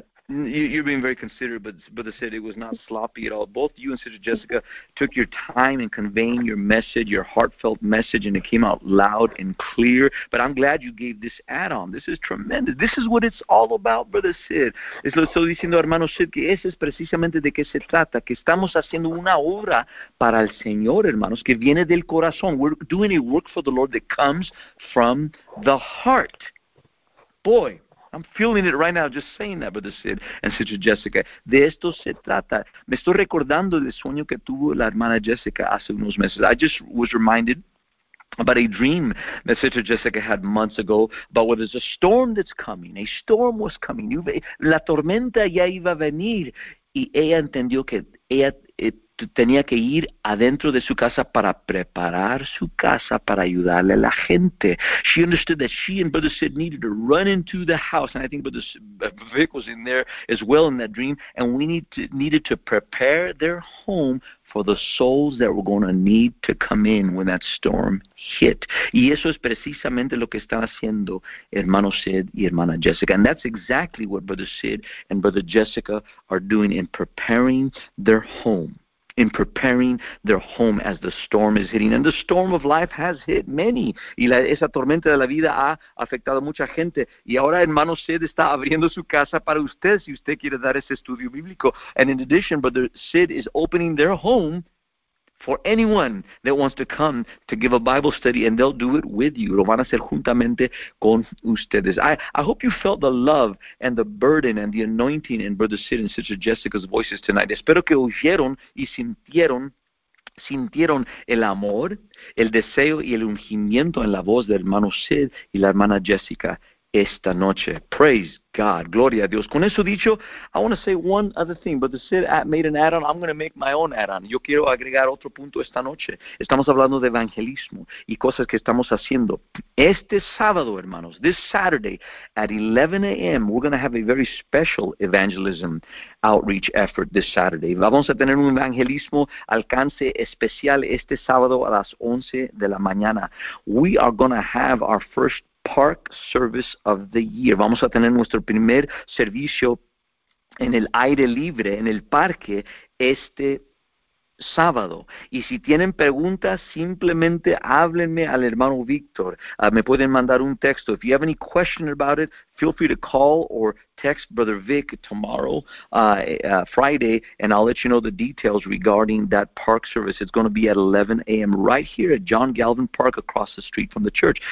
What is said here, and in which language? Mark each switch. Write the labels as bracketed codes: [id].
[en] You're being very considerate, but Brother Sid, it was not sloppy at all. Both you and Sister Jessica took your time in conveying your message, your heartfelt message, and it came out loud and clear. But I'm glad you gave this add-on. This is tremendous. This is what it's all about, Brother Sid. [es] Es lo que estoy diciendo, hermano Sid, que ese es precisamente de qué se trata, que estamos haciendo una obra para el Señor, hermanos, que viene del corazón. [en] We're doing a work for the Lord that comes from the heart. Boy. I'm feeling it right now, just saying that, Brother Sid and Sister Jessica. [es] De esto se trata. Me estoy recordando del sueño que tuvo la hermana Jessica hace unos meses. [en] I just was reminded about a dream that Sister Jessica had months ago about what is a storm that's coming. A storm was coming. [es] La tormenta ya iba a venir. Y ella entendió que ella tenía que ir adentro de su casa para preparar su casa para ayudarle a la gente. [en] She understood that she and Brother Sid needed to run into the house, and I think Brother Vic was in there as well in that dream, and we needed to prepare their home for the souls that were going to need to come in when that storm hit. [es] Y eso es precisamente lo que están haciendo hermano Sid y hermana Jessica. [en] And that's exactly what Brother Sid and Brother Jessica are doing in preparing their home. In preparing their home as the storm is hitting. And the storm of life has hit many. [es] Y esa tormenta de la vida ha afectado a mucha gente. Y ahora hermano Sid está abriendo su casa para usted si usted quiere dar ese estudio bíblico. [en] And in addition, Brother Sid is opening their home for anyone that wants to come to give a Bible study, and they'll do it with you. [es] Lo van a hacer juntamente con ustedes. [en] I hope you felt the love and the burden and the anointing in Brother Sid and Sister Jessica's voices tonight. [es] Espero que oyeron y sintieron el amor, el deseo y el ungimiento en la voz del hermano Sid y la hermana Jessica esta noche. [en] Praise God. [es] Gloria a Dios. Con eso dicho, [en] I want to say one other thing, but the Sid made an add-on. I'm going to make my own add-on. [es] Yo quiero agregar otro punto esta noche. Estamos hablando de evangelismo y cosas que estamos haciendo. Este sábado, hermanos, [en] this Saturday at 11 a.m., we're going to have a very special evangelism outreach effort this Saturday. [es] Vamos a tener un evangelismo alcance especial este sábado a las 11 de la mañana. [en] We are going to have our first Park Service of the Year. [es] Vamos a tener nuestro primer servicio en el aire libre, en el parque, este sábado. Y si tienen preguntas, simplemente háblenme al hermano Víctor. Me pueden mandar un texto. [en] If you have any question about it, feel free to call or text Brother Vic tomorrow, Friday, and I'll let you know the details regarding that park service. It's going to be at 11 a.m. right here at John Galvin Park across the street from the church.